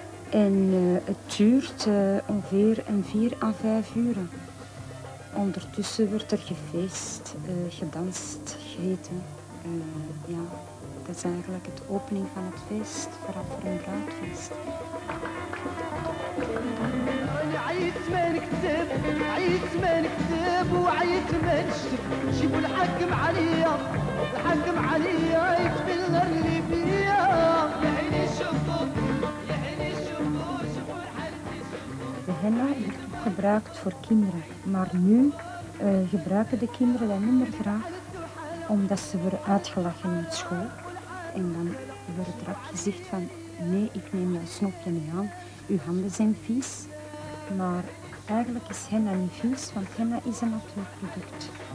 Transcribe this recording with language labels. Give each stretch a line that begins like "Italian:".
Dutch: En het duurt ongeveer 4 à 5 uren. Ondertussen wordt er gefeest, gedanst, gegeten. Ja, dat is eigenlijk het opening van het feest, vooral voor een bruidfeest.
Arabic: عيت ما نكتب عيت ما نكتب وعيت ما نشتب جيبوا الحكم عليا الحكم عليا يكفي الغر اللي فيا يا عيني شوفوا يا عيني شوفوا شوفوا الحال اللي شوفوا.
Dutch: هنا gebruikt voor kinderen, maar nu gebruiken de kinderen dat niet meer graag, omdat ze worden uitgelachen in school en dan wordt het rap gezegd van nee, ik neem jouw snoepje niet aan, uw handen zijn vies. Maar eigenlijk is henna niet vies, want henna is een natuurproduct.